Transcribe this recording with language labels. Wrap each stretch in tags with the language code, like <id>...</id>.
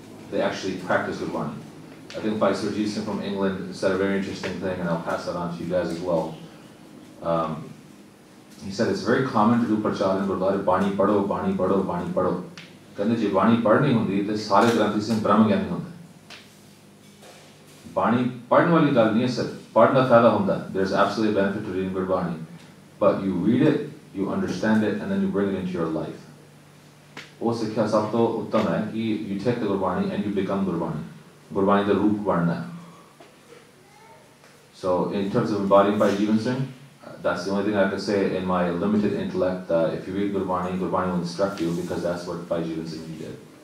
<en>They actually practice Gurbani. I think Bhai Surjit Singh from England said a very interesting thing, and I'll pass that on to you guys as well. He said, it's very common to do prachar and gurdwara,</en> <pa>bani padho, bani padho, bani padho. ਕੰਡੇ ਜੀ, ਬਾਣੀ ਪੜ੍ਹਨੀ ਹੁੰਦੀ, ਤੇ ਸਾਰੇ ਗ੍ਰੰਥੀ ਸਿੰਘ ਬ੍ਰਹਮ ਗਿਆਨੀ ਹੁੰਦੀ. ਬਾਣੀ ਪੜ੍ਹਨੀ ਵਾਲੀ ਗੱਲ ਨਹੀਂ ਹੈ, ਸਰ. ਪੜ੍ਹਨਾ ਫਾਇਦਾ ਹੁੰਦਾ.</pa> <en>There's absolutely a benefit to reading Gurbani. But you read it, you understand it, and then you bring it into your life.</en> <pa>Oh, sikhya sab to uttam hai ki</pa> <en>you take the Gurbani and you become Gurbani.</en> <pa>Gurbani the roop varna.</pa> <en>So in terms of embodying Bhai Jeevan Singh, that's the only thing I can say in my limited intellect, that if you read Gurbani, Gurbani will instruct you because that's what Bhai Jeevan Singh did.</en>